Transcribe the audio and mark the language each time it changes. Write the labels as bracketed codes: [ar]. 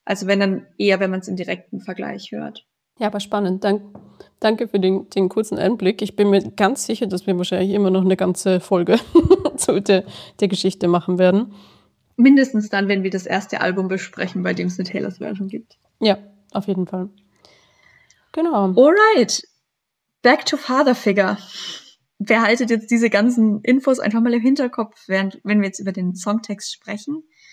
[de] Also wenn man es im direkten Vergleich hört. Ja, aber spannend. Danke für den kurzen Einblick. Ich bin mir ganz sicher, dass wir wahrscheinlich immer noch eine ganze Folge zu der Geschichte machen werden. Mindestens dann, wenn wir das erste Album besprechen, bei dem es eine Taylors Version gibt. Ja, auf jeden Fall. Genau. [en] Alright, back to Father Figure. [de] Wer haltet jetzt diese ganzen Infos einfach mal im Hinterkopf, wenn wir jetzt über den Songtext sprechen?